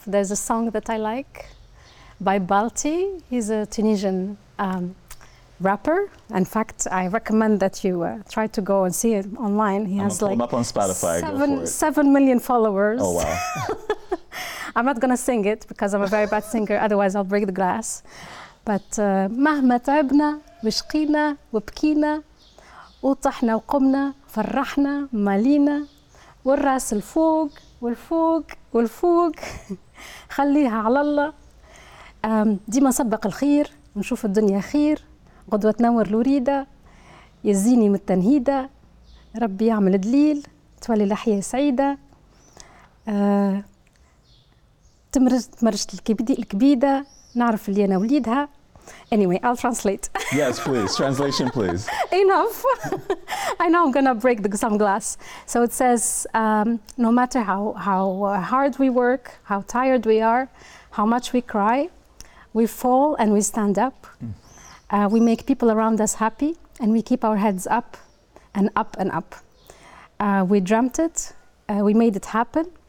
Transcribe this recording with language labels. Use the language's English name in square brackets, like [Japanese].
[English] There's a song that I like by Balti. He's a Tunisian rapper. In fact, I recommend that you try to go and see it online. He has like up on Spotify, 7 million followers. Oh, wow. I'm not going to sing it because I'm a very bad singer. Otherwise, I'll break the glass. But [Arabic] مهما تعبنا وشقينا وبكينا وطحنا وقمنا فرحنا مالينا والراس الفوق والفوق والفوق خليها على الله ديما سبق الخير ونشوف الدنيا خير غدوة تنور لوريدة يزيني من التنهيدة ربي يعمل دليل تولي الأحياء سعيدة تمرشت الكبيدة نعرف اللي أنا وليدها. [English] Anyway, I'll translate. Yes, please. Translation, please. Enough. I know I'm going to break some glass. So it says, no matter how hard we work, how tired we are, how much we cry, we fall and we stand up. We make people around us happy and we keep our heads up and up and up. We dreamt it. We made it happen.